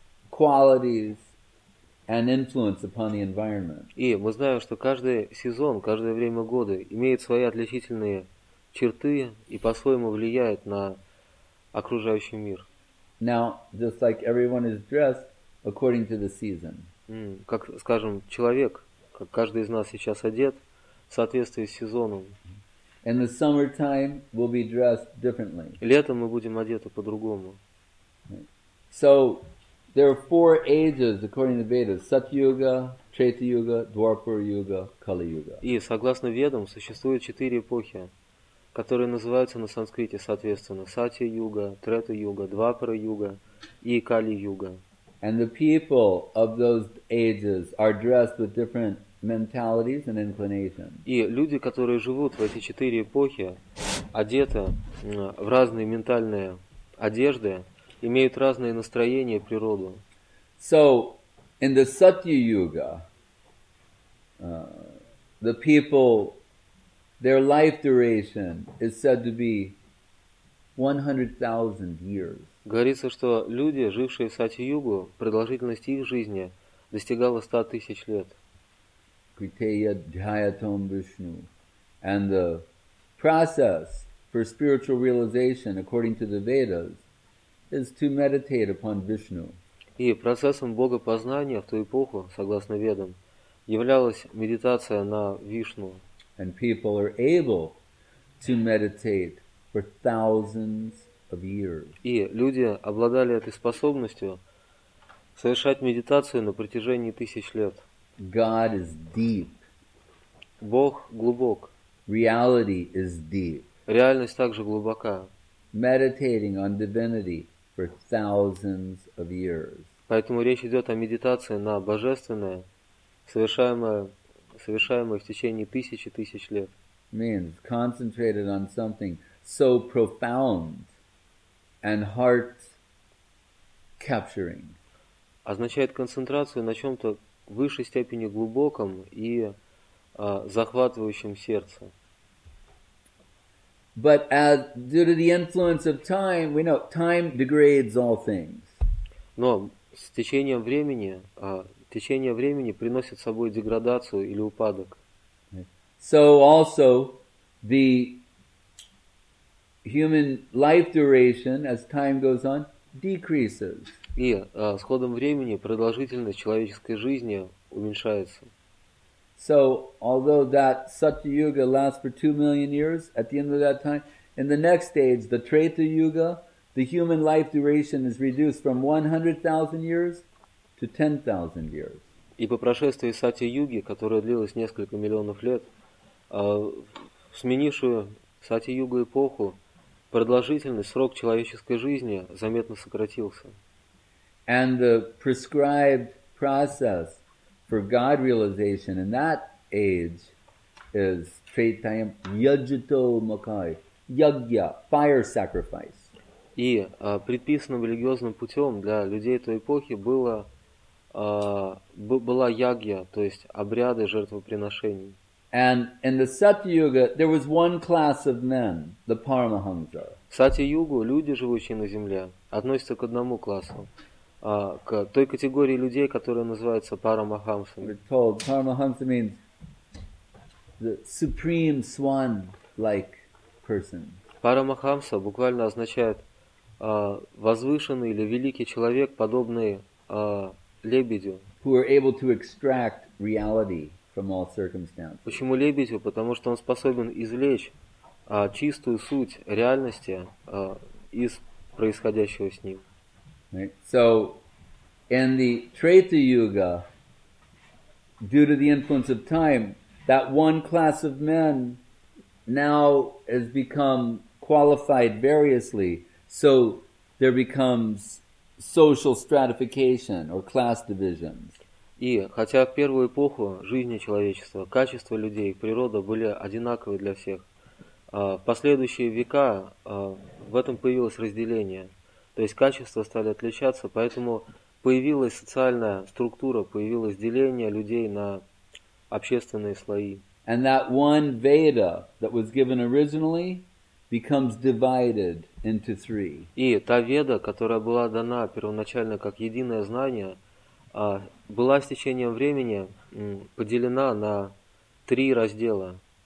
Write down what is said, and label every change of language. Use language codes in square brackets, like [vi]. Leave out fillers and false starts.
[en] qualities and influence upon the environment. [ru] И мы знаем, что каждый сезон, каждое время года имеет свои отличительные черты и по-своему влияет на окружающий мир. [en] Now, just like everyone is dressed according to the season. [ru] Как, скажем, человек, как каждый из нас сейчас одет в соответствии с сезоном. [en] In the summertime, we'll be dressed differently. [ru] Летом мы будем одеты по-другому. [en] So, there are four ages according to Vedas: Satyuga, Treta Yuga, Dwapara Yuga, Kali Yuga. [ru] И согласно Ведам существует четыре эпохи, которые называются на санскрите соответственно: Сатья Юга, Трета Юга, Двапара Юга и Кали Юга. [en] And the people of those ages are dressed with different mentalities and inclinations. [ru] И люди, которые живут в эти четыре эпохи, одеты в разные ментальные одежды, имеют разные настроения и природу. [en] So, in the Satya Yuga, the people, their life duration is said to be 100,000 years. [ru] Говорится, что люди, жившие в Сатья-югу, продолжительность их жизни достигала 100 тысяч лет. [sa] Kriteya Dhyayatam Vishnu. [en] And the process for spiritual realization, according to the Vedas, is to meditate upon Vishnu. [ru] И процессом богопознания в ту эпоху, согласно Ведам, являлась медитация на Вишну. [en] And people are able to meditate for thousands of years. [ru] И люди обладали этой способностью совершать медитацию на протяжении тысяч лет. [en] God is deep. [ru] Бог глубок. [en] Reality is deep. [ru] Реальность также глубока. [en] Meditating on divinity for thousands of years. [ru] Поэтому речь идет о медитации на божественное, совершаемое в течение тысячи тысяч лет. [en] Means concentrated on something so profound and heart capturing. [ru] Означает концентрацию на чем-то в высшей степени глубоком и захватывающем сердце. [en] But as due to the influence of time, we know time degrades all things. [ru] Но с течением времени приносит с собой деградацию или упадок. [en] So also the human life duration as time goes on decreases. [ru] И с ходом времени продолжительность человеческой жизни уменьшается. [en] So, although that Satya Yuga lasts for 2 million years, at the end of that time, in the next stage, the Treta Yuga, the human life duration is reduced from 100,000 years to 10,000 years. [ru] И по прошествии Сатья Юги, которая длилась несколько миллионов лет, в сменившую Сатья Юга эпоху, продолжительность, срок человеческой жизни заметно сократился. [en] And the prescribed process for God realization in that age is [sa] Treta Yajito Makai, [en] Yagya, fire sacrifice. [ru] И предписанным религиозным путем для людей той эпохи была Ягья, то есть обряды жертвоприношений. [en] And in the Satyayuga, there was one class of men, the Paramahamsa. [ru] В Сатья-югу люди, живущие на земле, относятся к одному классу. К той категории людей, которая называется парамахамсами. [en] We're told парамахамса means the supreme swan-like person. [ru] Парамахамса буквально означает возвышенный или великий человек, подобный лебедю. [en] Who are able to extract reality from all circumstances. [ru] Почему лебедю? Потому что он способен извлечь чистую суть реальности из происходящего с ним. [en] Right. So, in the Treta Yuga, due to the influence of time, that one class of men now has become qualified variously, so there becomes social stratification or class divisions. [ru] И хотя в первую эпоху жизни человечества качества людей и природа были одинаковы для всех, в последующие века в этом появилось разделение. То есть качества стали отличаться, поэтому появилась социальная структура, появилось деление людей на общественные слои. [en] And that one Veda that was given originally becomes divided into three. [ru] И та веда, которая была дана первоначально как единое знание, была с течением времени поделена на три раздела.